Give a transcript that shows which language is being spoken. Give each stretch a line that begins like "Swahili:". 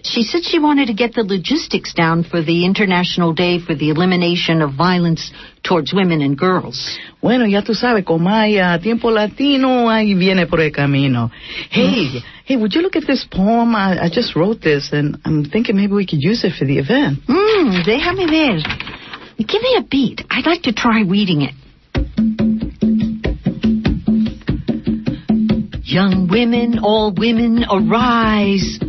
English: She said she wanted to get the logistics down for the International Day for the Elimination of Violence Towards Women and Girls.
Spanish: Bueno, ya tú sabes, como hay tiempo latino, ahí viene por el camino.
English: Hey, would you look at this poem? I just wrote this, and I'm thinking maybe we could use it for the event.
Spanish: Déjame ver.
English: Give me a beat. I'd like to try reading it. Young women, all women, arise.